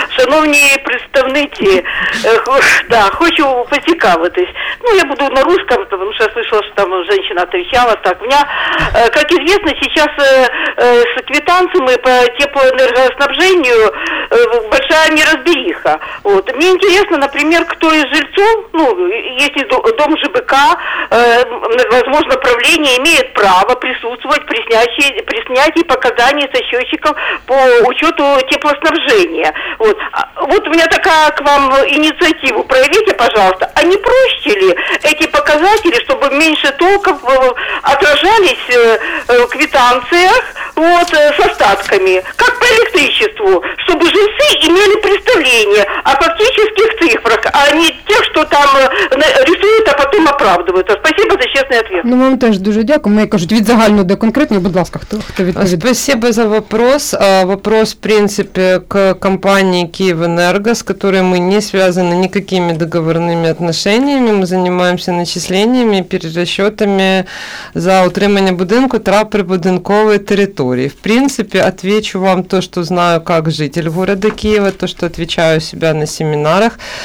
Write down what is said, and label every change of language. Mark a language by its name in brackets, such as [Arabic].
[Ukrainian] Шановні представниці, да, хочу поцікавитись. [Russian] Ну, я буду на русском, [Ukrainian] тому що [Russian] я слышала, що там жінка отвечала. [Ukrainian] Так, у мене, як відомо, зараз з квитанцями по теплоенергоснабженню [Russian] большая неразбериха. Вот. Мне интересно, например, кто из жильцов, ну, если дом ЖБК, возможно, правление имеет право присутствовать при снятии показаний со счетчиков по учету теплоснабжения. Вот. Вот у меня такая к вам инициатива. Проявите, пожалуйста, а не проще ли эти показатели, чтобы меньше толков отражались в квитанциях вот, с остатками, как по электричеству, чтобы жильцы имели представление о фактических цифрах, а не тех, что там рисуют, а потом оправдывают. Спасибо за честный ответ. [Ukrainian] Ну, вам теж дуже дякую. Мені кажуть, від загального до конкретного, будь ласка, хто відповідає? [Russian] Спасибо за вопрос. Вопрос, в принципе, к компании «Киевэнерго», с которой мы не связаны никакими договорными отношениями. Мы занимаемся начислениями, перерасчетами за утримание [Ukrainian] будинку та прибудинковой [Russian] территории. В принципе, отвечу вам то, что знаю, как житель города Киева, то, что отвечаю у себя на семинарах.